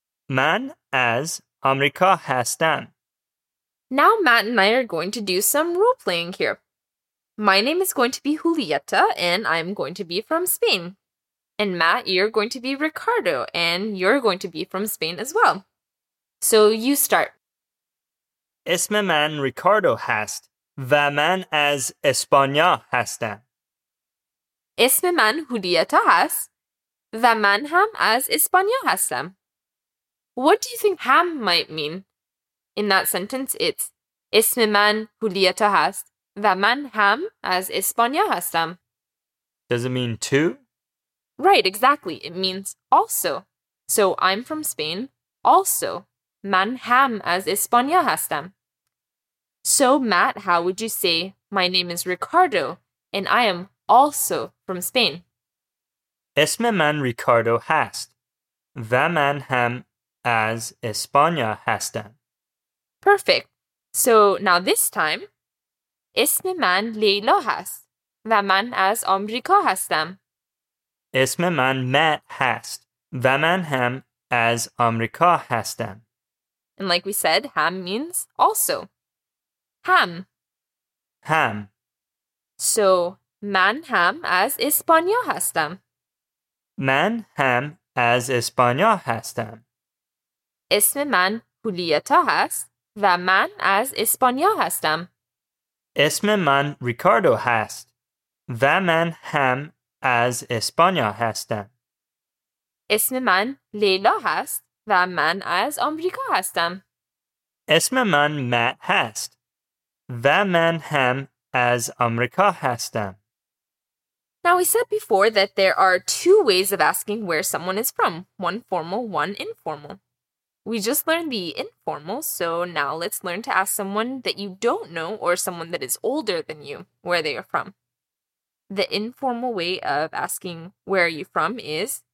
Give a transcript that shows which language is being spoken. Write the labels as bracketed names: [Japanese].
[Persian] من از آمریکا هستم. [English] Now Matt and I are going to do some role playing here. My name is going to be Julieta and I'm going to be from Spain. And Matt, you're going to be Ricardo and you're going to be from Spain as well. So you start. [Persian] اسم من ریکاردو هست و من از اسپانیا هستم. اسم من هولیتا هست و من هم از اسپانیا هستم. [English] What do you think هم might mean? [Persian] In that sentence, it's اسم من هولیتا هست و من هم از اسپانیا هستم. [English] Does it mean too? Right, exactly. It means also. So I'm from Spain, also. [Persian] من هم از اسپانیا هستم. [English] So Matt, how would you say my name is Ricardo and I am also from Spain. [Persian] اسم من ریکاردو هست و من هم از اسپانیا هستم. [English] Perfect. [Persian] So now this time, اسم من لیلا هست و من از آمریکا هستم. اسم من مت هست و من هم از آمریکا هستم. [English] And like we said, هم means also. [Persian] هم. هم. So من هم از اسپانیا هستم. من هم از اسپانیا هستم. اسم من هولیتا هست و من از اسپانیا هستم. اسم من ریکاردو هست و من هم از اسپانیا هستم. اسم من لیلا هست و من از آمریکا هستم. اسم من مت هست و من هم از آمریکا هستم. [English] Now, we said before that there are two ways of asking where someone is from, one formal, one informal. We just learned the informal, so now let's learn to ask someone that you don't know or someone that is older than you where they are from. The informal way of asking where are you from is